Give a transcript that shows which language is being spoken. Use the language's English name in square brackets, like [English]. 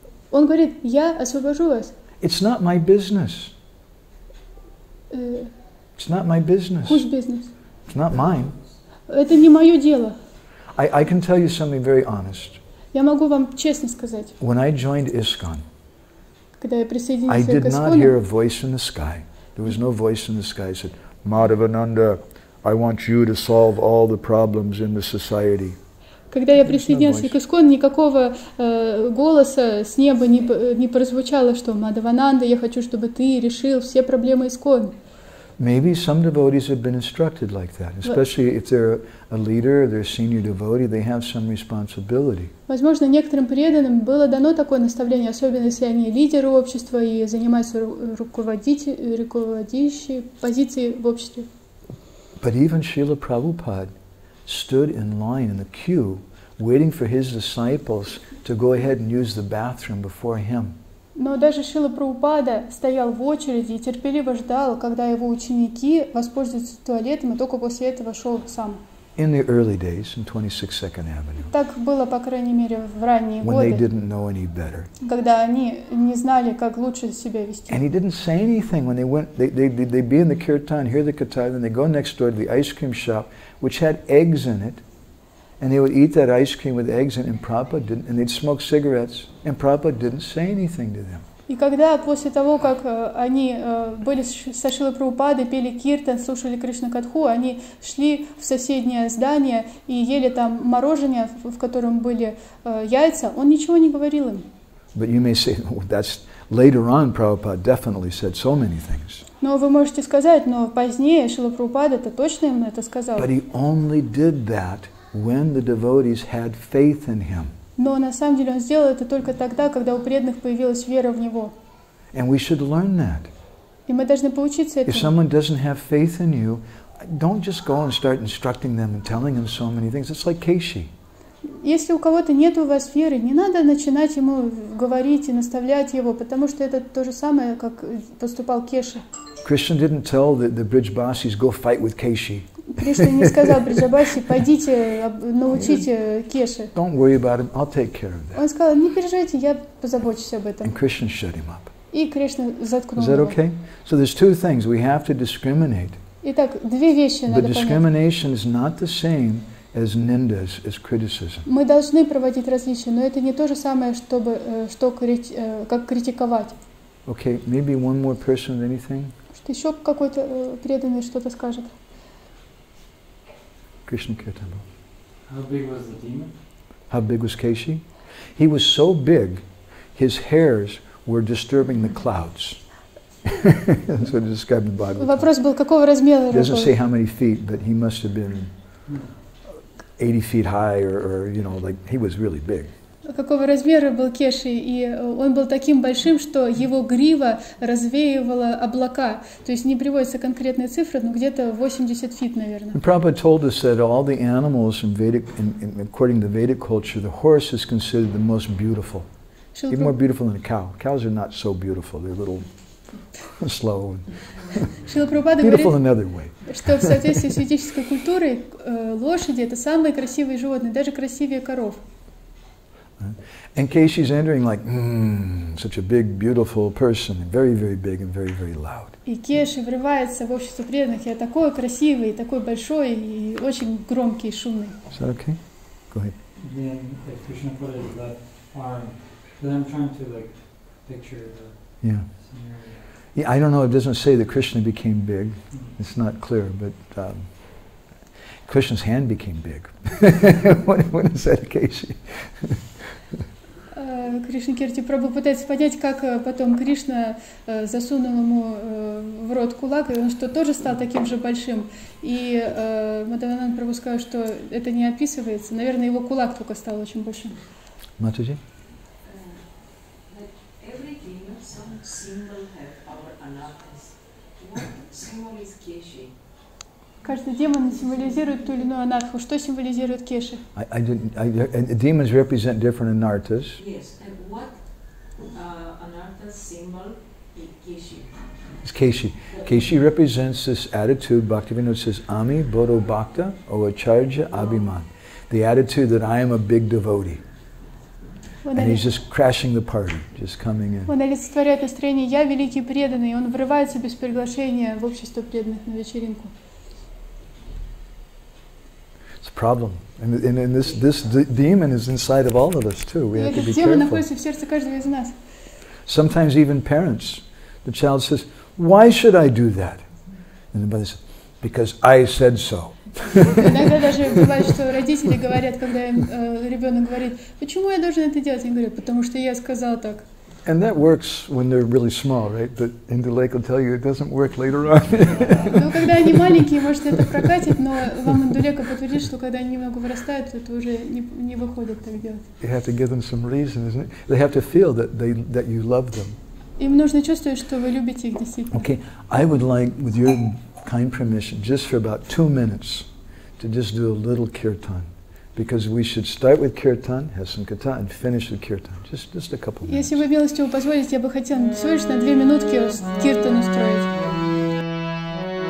[Russian] Он говорит, я освобожу вас. [English] It's not my business. It's not my business. Whose business? It's not mine. [Russian] Это не мое дело. [English] I can tell you something very honest. [Russian] Я могу вам честно сказать. [English] When I joined ISKCON, [Russian] когда я присоединился к ISKCON, [English] I did not hear a voice in the sky. There was no voice in the sky. I said, Madhavananda, I want you to solve all the problems in the society. [Russian] Когда я присоединился к ИСКОН, никакого голоса с неба не прозвучало, что «Мадхавананда, я хочу, чтобы ты решил все проблемы ИСКОН». [English] Maybe some devotees have been instructed like that, especially if they're a leader, they're a senior devotee, they have some responsibility. [Russian] Возможно, некоторым преданным было дано такое наставление, особенно если они лидеры общества и занимаются руководящей позицией в обществе. [English] But even Srila Prabhupada stood in line in the queue, waiting for his disciples to go ahead and use the bathroom before him. [Russian] Но даже Шрила Прабхупада стоял в очереди и терпеливо ждал, когда его ученики воспользуются туалетом, и только после этого шел сам. [English] In the early days, in 26 Second Avenue. [Russian] Так было, по крайней мере, в ранние годы. [English] When they didn't know any better. [Russian] Когда они не знали, как лучше себя вести. [English] And he didn't say anything when they went. They'd be in the kirtan, hear the kirtan, then they go next door to the ice cream shop, which had eggs in it, and they would eat that ice cream with eggs in it, and Prabhupada didn't, and they'd smoke cigarettes, and Prabhupada didn't say anything to them. [Russian] И когда после того, как они были со Шрилой Прабхупадой, пели киртан, слушали Кришна-катху, они шли в соседнее здание и ели там мороженое, в котором были яйца, он ничего не говорил им. [English] But you may say, well, that's later on, Prabhupada definitely said so many things. [Russian] Но вы можете сказать, но позднее Шрила Прабхупада это точно ему это сказал. [English] But he only did that when the devotees had faith in him. [Russian] Но на самом деле он сделал это только тогда, когда у преданных появилась вера в него. [English] And we should learn that. [Russian] И мы должны поучиться этому. [English] If someone doesn't have faith in you, don't just go and start instructing them and telling them so many things. It's like Keshi. [Russian] Если у кого-то нет у вас веры, не надо начинать ему говорить и наставлять его, потому что это то же самое, как поступал Кеши. [English] Krishna didn't tell the Brijbasis, go fight with Keshi. [Russian] Кришна не сказал Бриджабаси, пойдите, научите Кеши. [English] Don't worry about him, I'll take care of that. [Russian] Он сказал, не переживайте, я позабочусь об этом. [English] And Krishna shut him up. [Russian] И Кришна заткнул его. [English] Is that okay? So there's two things we have to discriminate. [Russian] Итак, две вещи надо понять. [English] But discrimination is not the same as nindas, as criticism. [Russian] Мы должны проводить различия, но это не то же самое, чтобы что как критиковать. [English] Okay, maybe one more person, anything? [Russian] Что еще какой-то преданный что-то скажет? [English] Krishna Kirtan. How big was the demon? How big was Keshi? He was so big, his hairs were disturbing the clouds. That's what it described in the Bible. [Russian] Вопрос был, какого размера? [English] It doesn't say how many feet, but he must have been 80 feet high, or you know, like he was really big. [Russian] Какого размера был Кеши, и он был таким большим, что его грива развеивала облака. То есть не приводится конкретная цифра, но где-то [English] 80 feet, [Russian] наверное. [English] Prabhupada told us that all the animals in Vedic, according to Vedic culture, the horse is considered the most beautiful, even more beautiful than a cow. Cows are not so beautiful; they're a little slow. Beautiful in another way. [Russian] Что в соответствии с ведической культурой лошади это самые красивые животные, даже красивее коров. [English] And Keshi's entering like, such a big, beautiful person, very, very big and very, very loud. [Russian] И Кеши врывается в общество преданных, я такой красивый, такой большой и очень громкий и шумный. [English] Is that okay? Go ahead. Then if Krishna put it that far, then I'm trying to like picture the scenario. Yeah, I don't know, it doesn't say that Krishna became big, it's not clear, but Krishna's hand became big. What is that, Keshi? [Russian] Кришна Кирти Прабху пытается понять, как потом Кришна засунул ему в рот кулак, и он что, тоже стал таким же большим. И Мадхавананда Прабху сказал, что это не описывается. Наверное, его кулак только стал очень большим. Матуджи? Каждый демон символизирует ту или иную анартху. Что символизирует Кеши? [English] Demons represent different anarthas. Yes. What anartha symbol is Keshi? It's Keshi. Keshi represents this attitude. Bhaktivinoda says, [Bangla] Ami bodo bhakta o acharya abhiman. [English] The attitude that I am a big devotee. And he's just crashing the party, just coming in. [Russian] Он олицетворяет настроение, я великий преданный. Он врывается без приглашения в общество преданных на вечеринку. [English] Problem, and this demon is inside of all of us too. We have to be careful. Sometimes even parents, the child says, "Why should I do that?" And the mother says, "Because I said so." [Russian] Иногда даже бывает, что родители говорят, когда ребенок говорит, "Почему я должен это делать?" Я говорю, "Потому что я сказал так." [English] And that works when they're really small, right? But Indulake will tell you it doesn't work later on. [Russian] Ну когда они маленькие, может это прокатит, но вам Индулека подтвердит, что когда они немного вырастают, это уже не выходит так делать. [English] You have to give them some reason, isn't it? They have to feel that you love them. [Russian] Им нужно чувствовать, что вы любите их действительно. [English] Okay, I would like, with your kind permission, just for about 2 minutes, to just do a little kirtan. Because we should start with kirtan, have some katha, and finish with kirtan. Just a couple minutes. [Russian] Если вы милостиво позволите, я бы хотел всего лишь на 2 минутки киртан устроить.